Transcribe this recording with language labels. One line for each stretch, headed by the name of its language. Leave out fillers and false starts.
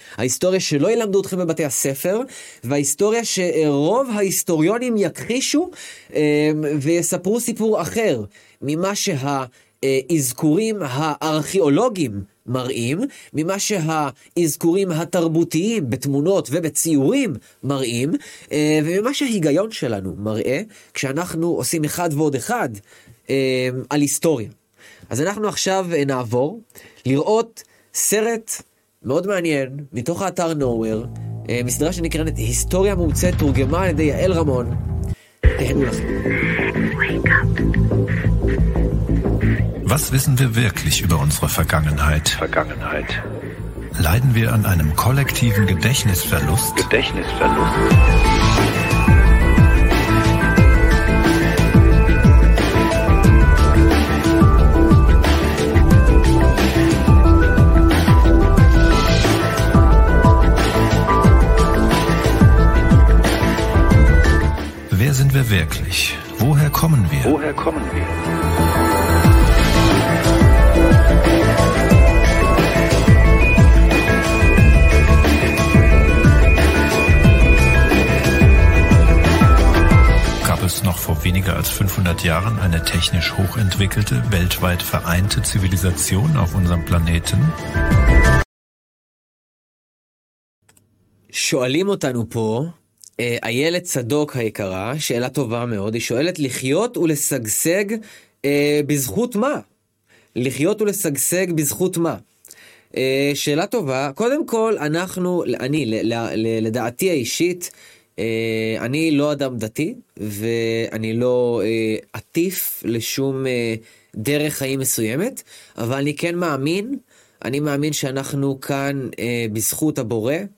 Hebrew: ההיסטוריה שלא ילמדו אתכם בבתי הספר, וההיסטוריה שרוב ההיסטוריונים יכחישו ויספרו סיפור אחר ממה שהאזכורים הארכיאולוגיים מראים, ממה שהאזכורים התרבותיים בתמונות ובציורים מראים, וממה שההיגיון שלנו מראה כשאנחנו עושים אחד ועוד אחד על היסטוריה. אז אנחנו עכשיו נעבור לראות סרט מאוד מעניין מתוך האתר נוואר, מסדרה שנקראת היסטוריה מומצאת, תורגמה על ידי יעל רמון. תהנו לכם.
German: Was wissen wir wirklich über unsere Vergangenheit? Vergangenheit. Leiden wir an einem kollektiven Gedächtnisverlust? Gedächtnisverlust. Wer sind wir wirklich? Woher kommen wir? Woher kommen wir? Noch vor weniger als 500 Jahren eine technisch hochentwickelte, weltweit vereinte Zivilisation auf unserem Planeten?
Hebrew: שואלים אותנו פה, איילת צדוק היקרה, שאלה טובה מאוד, היא שואלת, לחיות ולשגשג בזכות מה? לחיות ולשגשג בזכות מה? שאלה טובה, קודם כל, אנחנו, אני, לדעתי האישית, אני לא אדם דתי, ואני לא עטיף לשום דרך חיים מסוימת, אבל אני כן מאמין, אני מאמין שאנחנו כאן בזכות הבורא,